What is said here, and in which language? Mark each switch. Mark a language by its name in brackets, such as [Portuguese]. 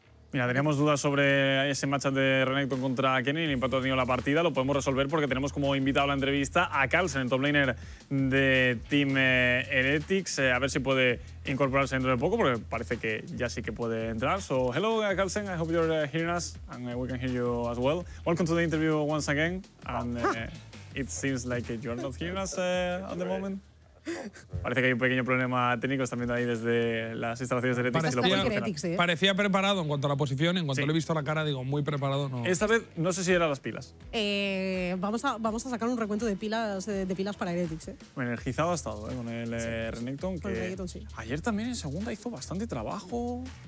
[Spanish] Mira, teníamos dudas sobre ese matchup de Renekton contra Kennen y el impacto que ha tenido la partida. Lo podemos resolver porque tenemos como invitado a la entrevista a Carlsen, el top laner de Team Heretics. A ver si puede incorporarse dentro de poco, porque parece que ya sí que puede entrar. [English] So, hello, Carlsen. I hope you're hearing us and we can hear you as well. Welcome to the interview once again. And it seems like you are not hearing us at the moment. [Spanish] Parece que hay un pequeño problema técnico, están viendo ahí desde las instalaciones de Heretics. Parecía preparado en cuanto a la posición, en cuanto sí. Le he visto la cara, digo, muy preparado. No. Esta vez no sé si eran las pilas. Vamos a sacar un recuento de pilas para Heretics. Energizado ha estado con el Renekton, que ayer también en segunda hizo bastante trabajo.